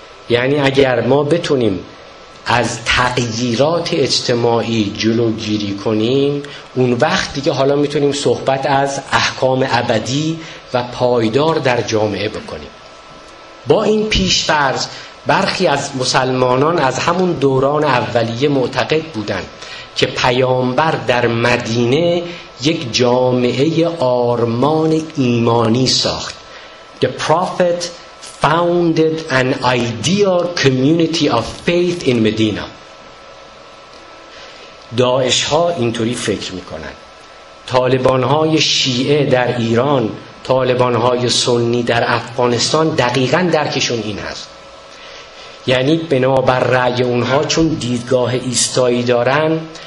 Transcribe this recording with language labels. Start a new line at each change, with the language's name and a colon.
Persian: یعنی اگر ما بتونیم از تغییرات اجتماعی جلوگیری کنیم، اون وقت دیگه حالا میتونیم صحبت از احکام ابدی و پایدار در جامعه بکنیم. با این پیش‌فرض برخی از مسلمانان از همون دوران اولیه معتقد بودند که پیامبر در مدینه یک جامعه آرمان ایمانی ساخت.
English: The Prophet founded an ideal community of faith in Medina.
Persian: داعش ها اینطوری فکر میکنن، طالبان های شیعه در ایران، طالبان های سنی در افغانستان دقیقا درکشون این هست. یعنی بنابر رأی اونها چون دیدگاه ایستایی دارن،